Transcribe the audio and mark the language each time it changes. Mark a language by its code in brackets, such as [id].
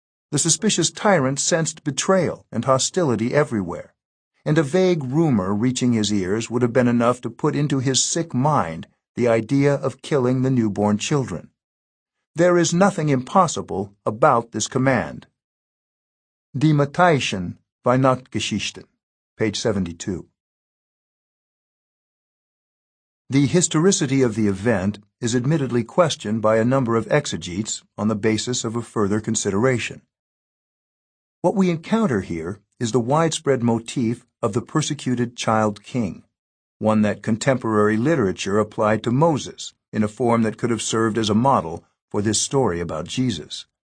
[en] The suspicious tyrant sensed betrayal and hostility everywhere, and a vague rumor reaching his ears would have been enough to put into his sick mind the idea of killing the newborn children. There is nothing impossible about this command. [de] Die Matthäischen Weihnachtsgeschichten, page 72. [en] The historicity of the event is admittedly questioned by a number of exegetes on the basis of a further consideration. What we encounter here is the widespread motif of the persecuted child king, one that contemporary literature applied to Moses in a form that could have served as a model for this story about Jesus.